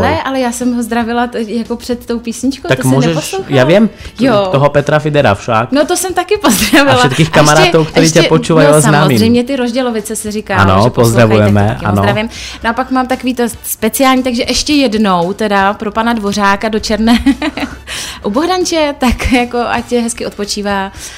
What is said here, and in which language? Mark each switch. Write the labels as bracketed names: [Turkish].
[Slovak] Hele, ale ja som ho zdravila [Czech] jako před tou písničkou, [Slovak] tak to môžeš, [Czech] si neposlouchala. [Slovak] Ja viem, jo. Toho Petra Fidera však. No to som taky pozdravila. A všetkých kamarátov, ktorí ťa počúvajú s nami. [Czech] No samozrejme, ty Rožďaľovice se říká, ano, že pozdravujeme, ano. Pozdravím. No a pak mám takový to speciální, takže [Slovak] ešte jednou, [Czech] teda pro pana Dvořáka do Černé u Bohdanče, tak jako ať tě hezky odpočívá.